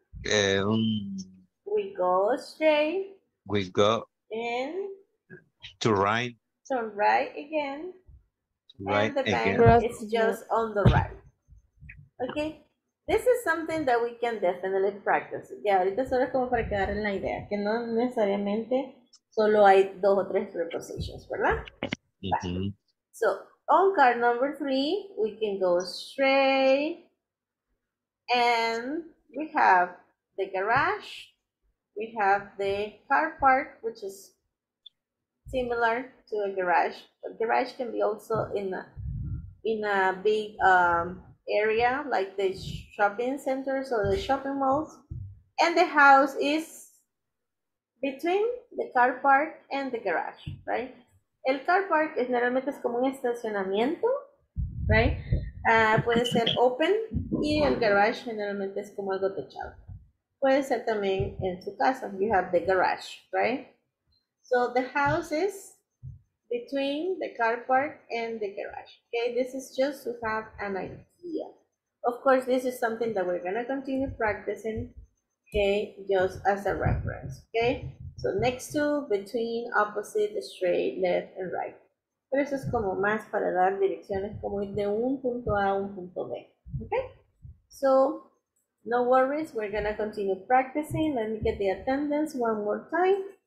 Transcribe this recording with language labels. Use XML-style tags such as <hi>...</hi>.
<en>And we go straight. We go. And. To right. Turn right again. Right and the again. Bank is just on the right. Okay. This is something that we can definitely practice.</en> <es>Ya, ahorita solo es como para quedar en la idea, que no necesariamente solo hay dos o tres prepositions, ¿verdad? Mm-hmm.</es> <en>So, on car number three, we can go straight, and we have the garage, we have the car park, which is similar to a garage, but garage can be also in a big, area like the shopping centers or the shopping malls, and the house is between the car park and the garage, right?</en> <es>El car park es normalmente es como un estacionamiento, right? Puede ser open, y el garage generalmente es como algo techado. Puede ser también en su casa,</es> <en>you have the garage, right? So the house is between the car park and the garage, okay? This is just to have an idea. Of course, this is something that we're gonna continue practicing, okay? Just as a reference, okay? So next to, between, opposite, straight, left, and right.</en> <es>Pero eso es como más para dar direcciones, como ir de un punto A a un punto B.</es> <en>Okay? So, no worries, we're gonna continue practicing. Let me get the attendance one more time.</en>